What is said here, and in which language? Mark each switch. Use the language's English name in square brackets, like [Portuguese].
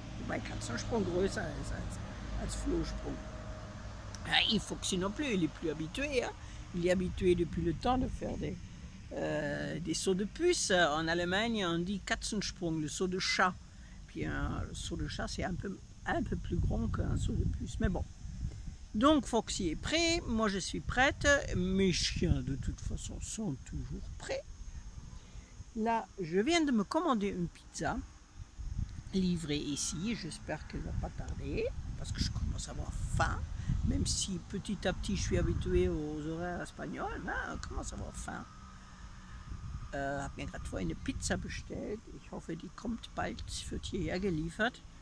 [German] mein Katzensprung größer ist als Flohsprung. [French] Ja, il ne fonctionne plus, il est plus habitué. Hein. Il est habitué depuis le temps de faire des sauts de puce. En Allemagne, on dit Katzensprung, le saut de chat. Puis le saut de chat, c'est un peu plus grand qu'un saut de puce. Mais bon. Donc, Foxy est prêt, moi je suis prête, mes chiens de toute façon sont toujours prêts. Là, je viens de me commander une pizza, livrée ici, j'espère qu'elle ne va pas tarder, parce que je commence à avoir faim, même si petit à petit je suis habitué aux horaires espagnols, hein, je commence à avoir faim. [German] Ich habe mir gerade vorhin eine Pizza bestellt, ich hoffe, die kommt bald, wird hierher geliefert.